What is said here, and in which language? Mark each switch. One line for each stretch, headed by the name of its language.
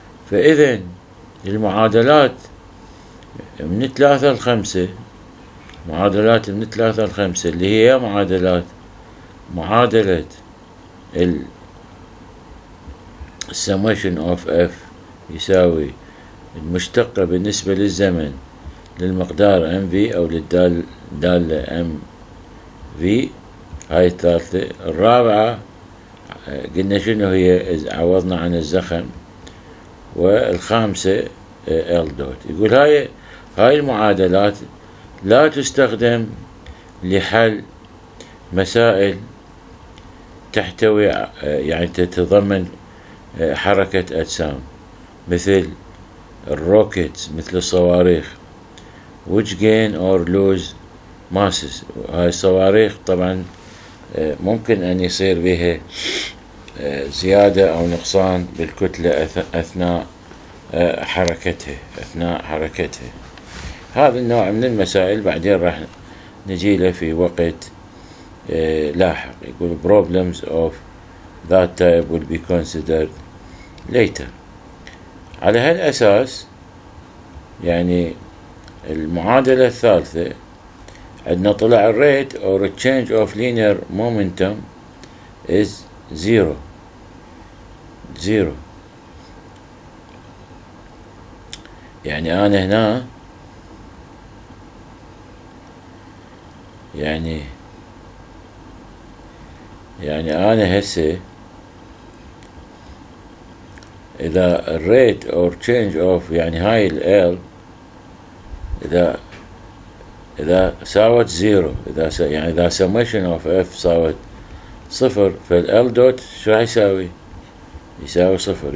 Arabic: فإذا المعادلات من 3 لـ 5، معادلات من 3 لـ 5 اللي هي معادلات، معادلة ال summation of F يساوي المشتقة بالنسبة للزمن للمقدار MV أو للدالة MV، هاي الثالثة. الرابعة قلنا شنو هي؟ عوضنا عن الزخم. والخامسة L dot. يقول هاي المعادلات لا تستخدم لحل مسائل تحتوي، يعني تتضمن حركة أجسام مثل الروكت، مثل الصواريخ،
English: which gain or lose masses.
Arabic: هاي الصواريخ طبعا ممكن أن يصير بها زيادة أو نقصان بالكتلة أثناء حركتها، أثناء حركتها. هذا النوع من المسائل بعدين راح نجي له في وقت لاحق.
English: يقول problems of that type will be considered later.
Arabic: على هالأساس يعني المعادلة الثالثة عندنا طلع
English: rate or change of linear momentum is zero.
Arabic: يعني أنا هنا يعني أنا هسه إذا
English: الريت or change of
Arabic: يعني هاي ال L إذا ساوت زيرو، إذا يعني إذا summation of F ساوت صفر، فال L dot شو راح يساوي؟ يساوي صفر.